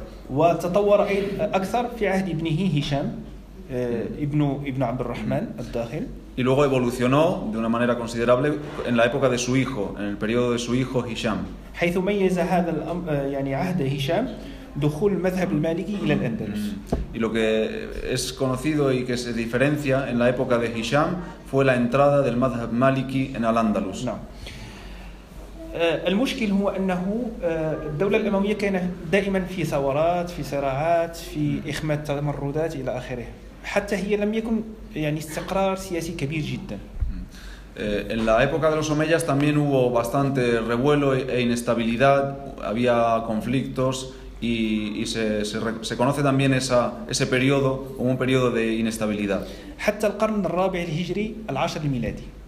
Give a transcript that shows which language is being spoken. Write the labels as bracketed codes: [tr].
[ar] وتطور أكثر في عهد ابنه هشام ابن عبد الرحمن الداخل. [es] Y luego evolucionó de una manera considerable en la época de su hijo, en el periodo de su hijo Hisham. [ar] حيث ميز هذا يعني عهد هشام دخول المذهب المالكي إلى الأندلس. [es] Y lo que es conocido y que se diferencia en la época de Hisham fue la entrada del madhhab maliki en Al-Andalus. [ar] نعم. المشكل هو أنه الدولة الأموية كانت دائما في ثورات في صراعات في إخماد تمردات إلى آخره. حتى هي لم يكن يعني استقرار سياسي كبير جدا. [es] En la época de los Omeyas también hubo bastante revuelo e inestabilidad. Había conflictos. Y se conoce también ese periodo como un periodo de inestabilidad. [ar] حتى القرن الرابع الهجري العاشر الميلادي.